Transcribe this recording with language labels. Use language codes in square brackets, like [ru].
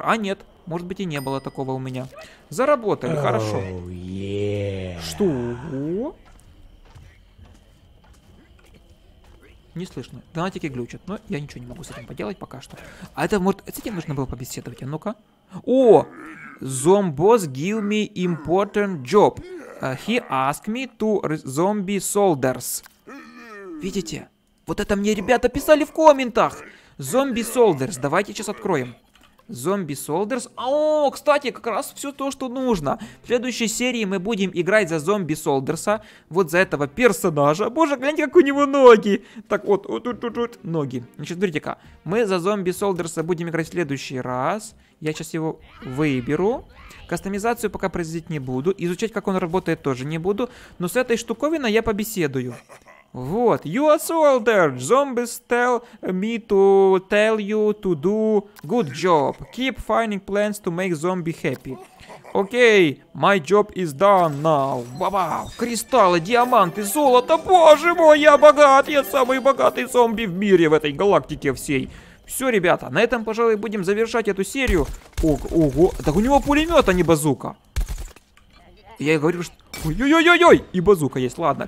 [ru] А нет, может быть, и не было такого у меня. Заработали, хорошо. [en] Oh, yeah. [ru] Что? Не слышно. Донатики глючат, но я ничего не могу с этим поделать пока что. А это, может, с этим нужно было побеседовать, а ну-ка. [en] О, Zomboss give me important job. He asked me to zombie soldiers. [ru] Видите? Вот это мне ребята писали в комментах. [en] Zombie Soldiers. [ru] Давайте сейчас откроем. [en] Zombie Soldiers. [ru] О, кстати, как раз все то, что нужно. В следующей серии мы будем играть за Zombie Soldiers. Вот за этого персонажа. Боже, гляньте, как у него ноги. Так вот, вот тут, тут, тут, ноги. Значит, смотрите-ка. Мы за Zombie Soldiers будем играть в следующий раз. Я сейчас его выберу. Кастомизацию пока произвести не буду. Изучать, как он работает, тоже не буду. Но с этой штуковиной я побеседую. [en] Вот, you are soldier, zombies tell me to tell you to do good job. Keep finding plans to make zombie happy. Окей, okay, my job is done now. [ru] Баба, кристаллы, диаманты, золото, боже мой, я богат, я самый богатый зомби в мире, в этой галактике всей. Все, ребята, на этом, пожалуй, будем завершать эту серию. Ого, ого, так у него пулемет, а не базука. Я говорю, что... Ой-ой-ой-ой-ой! И базука есть, ладно.